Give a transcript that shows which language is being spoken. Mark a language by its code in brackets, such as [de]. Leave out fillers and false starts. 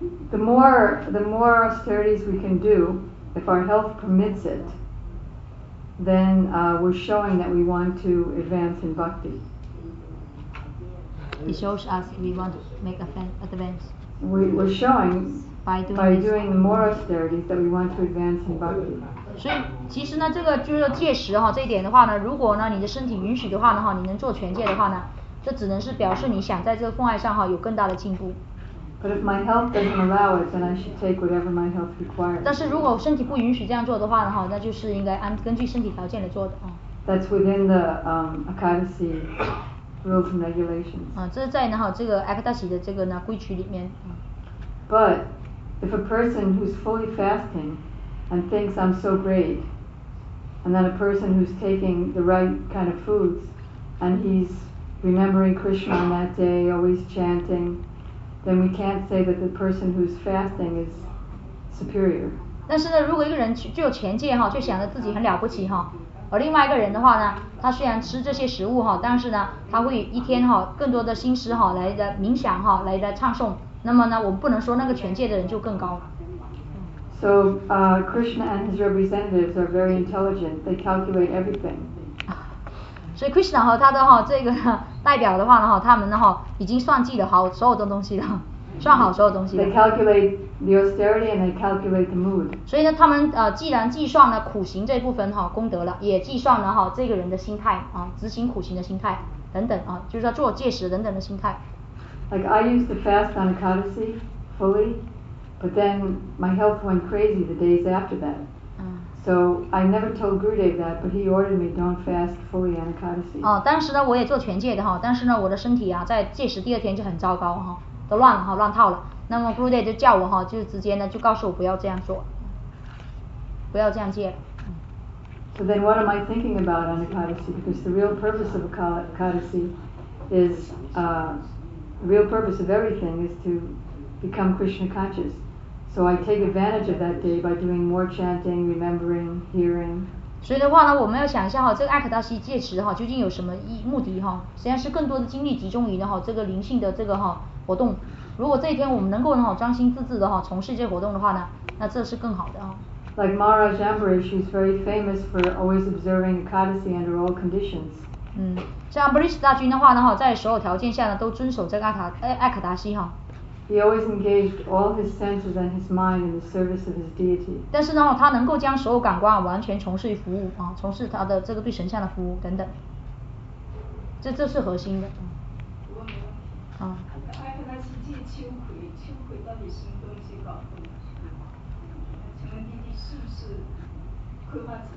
[en] The more austerities we can do, if our health permits it, then we're showing that we want to advance in bhakti. It shows us we want to make advance. We're showing. By doing the more austerities that we want to advance in bhakti. [zh] 所以其实呢，这个就是戒食哈，这一点的话呢，如果呢你的身体允许的话呢哈，你能做全戒的话呢，这只能是表示你想在这个奉爱上哈有更大的进步。 [en] But if my health doesn't allow it, then I should take whatever my health requires. [zh] 但是如果身体不允许这样做的话呢哈，那就是应该根据身体条件来做的啊。 [en] That's within the ecstasy rules and regulations. [zh] 啊，这是在呢哈这个 ecstasy 的这个呢规矩里面。 [en] But if a person who's fully fasting and thinks I'm so great, and then a person who's taking the right kind of foods, and he's remembering Krishna on that day, always chanting, then we can't say that the person who's fasting is superior. [zh] 但是呢，如果一个人具有前戒哈，就想着自己很了不起哈，而另外一个人的话呢，他虽然吃这些食物哈，但是呢，他会一天哈更多的心思哈来的冥想哈，来的唱诵。那么呢，我们不能说那个全戒的人就更高了。 [en] So, Krishna and his representatives are very intelligent. They calculate everything. [zh] 所以 Krishna 和他的哈这个代表的话呢哈，他们呢哈已经算计了好所有的东西了，算好所有东西了。 [en] They calculate the austerity and they calculate the mood. [zh] 所以呢，他们既然计算了苦行这部分哈功德了，也计算了哈这个人的心态啊，执行苦行的心态等等啊，就是说做戒食等等的心态。 [en] Like I used to fast on Ekadasi fully, but then my health went crazy the days after that. So I never told Gurudev that, but he ordered me don't fast fully on Ekadasi. [zh] 哦，当时呢我也做全戒的哈，但是呢我的身体啊在戒食第二天就很糟糕哈，都乱了哈，乱套了。那么 Gurudev 就叫我哈，就直接呢就告诉我不要这样做，不要这样戒。 [en] So then what am I thinking about on Ekadasi? Because the real purpose of Ekadasi is The real purpose of everything is to become Krishna conscious. So I take advantage of that day by doing more chanting, remembering, hearing. [zh] 所以的话呢，我们要想一下哈，这个艾克达西戒持哈究竟有什么目的哈？实际上是更多的精力集中于呢哈这个灵性的这个哈活动。如果这一天我们能够呢哈专心致志的哈从事这些活动的话呢，那这是更好的哈。 [en] Like Maharaj Ambarish, she's very famous for always observing Ekadasi under all conditions. [zh] 嗯，像 Ambarish 大军的话呢哈，在所有条件下呢都遵守这个艾克达西哈。 [en] He always engaged all his senses and his mind in the service of his deity. [zh] 但是呢，他能够将所有感官完全从事于服务啊，从事他的这个对神像的服务等等。这是核心的。嗯。啊。艾克达西戒秋葵到底什么东西搞的？请问弟弟是不是葵花籽？